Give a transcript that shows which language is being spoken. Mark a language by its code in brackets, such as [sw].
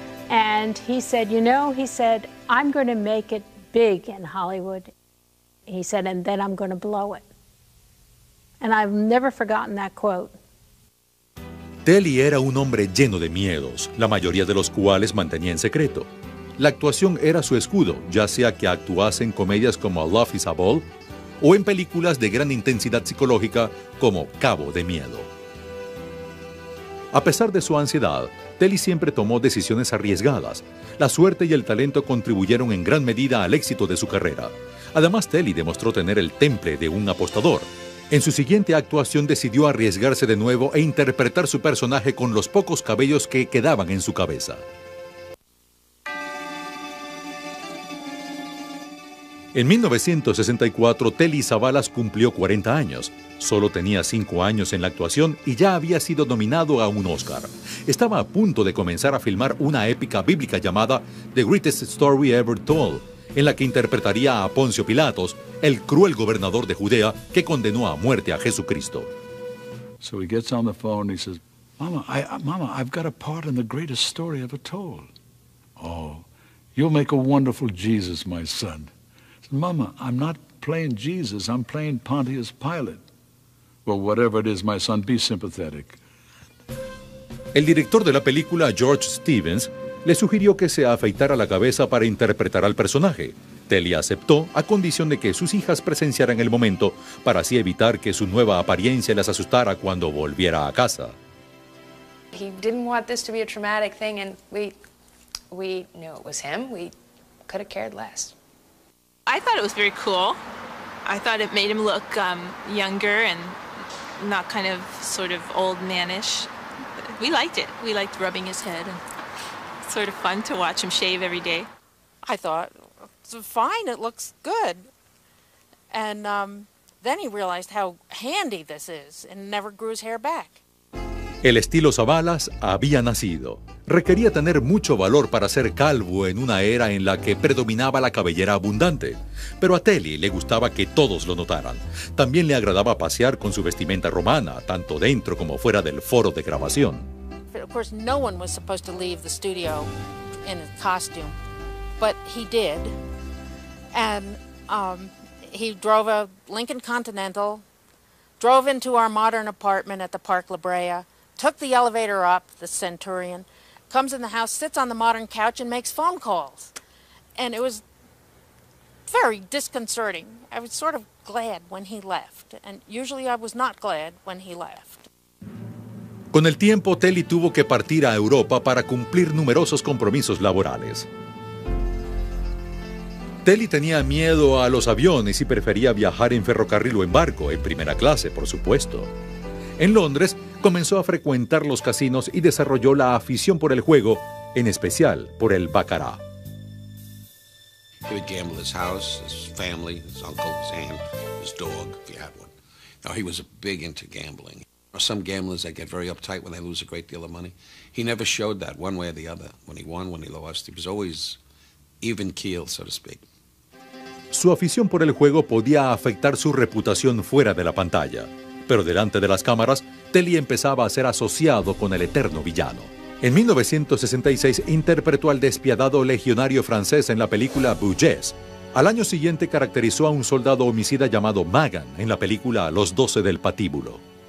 [en] And he said, you know, he said, I'm going to make it big in Hollywood. He said, and then I'm going to blow it. And I've never forgotten that quote. [es] Telly era un hombre lleno de miedos, la mayoría de los cuales mantenía en secreto. La actuación era su escudo, ya sea que actuase en comedias como Love is a Ball o en películas de gran intensidad psicológica como Cabo de Miedo. A pesar de su ansiedad, Telly siempre tomó decisiones arriesgadas. La suerte y el talento contribuyeron en gran medida al éxito de su carrera. Además, Telly demostró tener el temple de un apostador. En su siguiente actuación decidió arriesgarse de nuevo e interpretar su personaje con los pocos cabellos que quedaban en su cabeza. En 1964, Telly Savalas cumplió 40 años. Solo tenía 5 años en la actuación y ya había sido nominado a un Oscar. Estaba a punto de comenzar a filmar una épica bíblica llamada The Greatest Story Ever Told, en la que interpretaría a Poncio Pilatos, el cruel gobernador de Judea que condenó a muerte a Jesucristo. [en] So he gets on the phone and he says, Mama, I've got a part in the greatest story ever told. Oh, you'll make a wonderful Jesus, my son. Says, Mama, I'm not playing Jesus, I'm playing Pontius Pilate. Well, whatever it is, my son, be sympathetic. El director de la película, George Stevens, le sugirió que se afeitara la cabeza para interpretar al personaje. Telly aceptó a condición de que sus hijas presenciaran el momento para así evitar que su nueva apariencia las asustara cuando volviera a casa. He didn't want this to be a traumatic thing, and we knew it was him. We could have cared less. I thought it was very cool. I thought it made him look younger and not kind of sort of old manish. We liked it. We liked rubbing his head and sort of fun to watch him shave every day. I thought, fine, it looks good. And then he realized how handy this is and never grew his hair back. [es] El estilo Savalas había nacido. Requería tener mucho valor para ser calvo en una era en la que predominaba la cabellera abundante. Pero a Telly le gustaba que todos lo notaran. También le agradaba pasear con su vestimenta romana, tanto dentro como fuera del foro de grabación. [en] Of course, no one was supposed to leave the studio in a costume, but he did. And he drove a Lincoln Continental, drove into our modern apartment at the Park La Brea, took the elevator up, the Centurion, comes in the house, sits on the modern couch, and makes phone calls. And it was very disconcerting. I was sort of glad when he left, and usually I was not glad when he left. [es] Con el tiempo, Telly tuvo que partir a Europa para cumplir numerosos compromisos laborales. Telly tenía miedo a los aviones y prefería viajar en ferrocarril o en barco, en primera clase, por supuesto. En Londres, comenzó a frecuentar los casinos y desarrolló la afición por el juego, en especial por el baccarat. [en] He would gamble his house, his family, his uncle, his aunt, his dog, if you had one. No, he was big into gambling. Some gamblers, they get very uptight when they lose a great deal of money. He never showed that one way or the other. When he won, when he lost, he was always even keel, so to speak. [es] Su afición por el juego podía afectar su reputación fuera de la pantalla. Pero delante de las cámaras, Telly empezaba a ser asociado con el eterno villano. En 1966, interpretó al despiadado legionario francés en la película Bouges. Al año siguiente, caracterizó a un soldado homicida llamado Magan en la película Los Doce del Patíbulo.